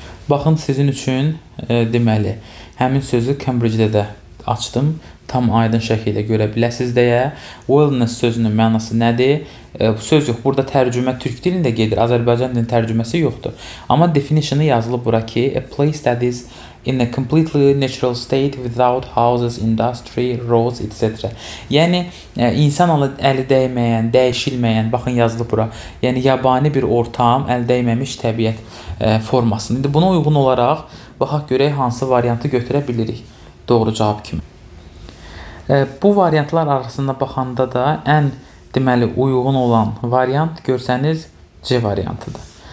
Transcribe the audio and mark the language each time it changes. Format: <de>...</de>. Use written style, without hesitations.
<az>Baxın, sizin üçün deməli, həmin sözü Cambridge-də də açdım. Tam aydın şəkildə görə biləsiniz deyə. Wellness sözünün mənası nədir? Söz yox. Burada tərcümə türk dilində gedir. Azərbaycan dilinin tərcüməsi yoxdur. Amma definition-ı yazılıb bura ki,</az> <en>a place that is in a completely natural state without houses, industry, roads, etc.</en> <az>Yəni, insan əli dəyməyən, dəyişilməyən, baxın yazılıb bura, yəni yabani bir ortam, əli dəyməmiş təbiət formasını. İndi buna uyğun olaraq, baxaq görək hansı variantı götürə bilirik doğru cavab kimi. Bu variantlar arasında baxanda da ən deməli uyğun olan variant görsəniz C variantıdır.</az>